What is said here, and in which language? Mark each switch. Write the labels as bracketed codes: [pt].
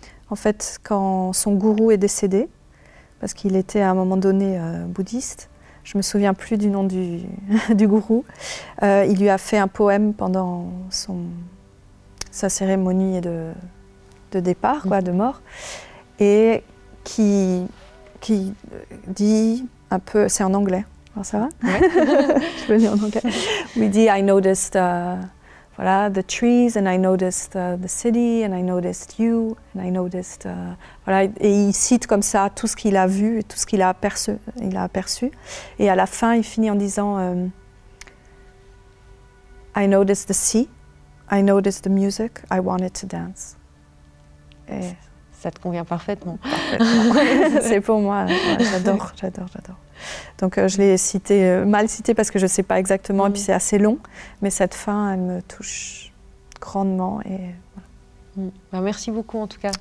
[fr] en fait, quand son gourou est décédé, parce qu'il était à un moment donné bouddhiste, je ne me souviens plus du nom du gourou, il lui a fait un poème pendant sa cérémonie de départ, quoi, de mort, et qui dit un peu, c'est en anglais, alors ça va? Ouais. Je le dis en anglais. [en] Il dit, I noticed voilà, the trees, and I noticed the city, and I noticed you, and I noticed... [fr] voilà, et il cite comme ça tout ce qu'il a vu, et tout ce qu'il a aperçu. Et à la fin, il finit en disant, [en] I noticed the sea, I noticed the music, I wanted to dance. [fr] Et ça te convient parfaitement. Parfaitement. C'est pour moi, j'adore. Donc je l'ai mal cité parce que je ne sais pas exactement, et puis c'est assez long, mais cette fin, elle me touche grandement. Et voilà. Ben, merci beaucoup en tout cas.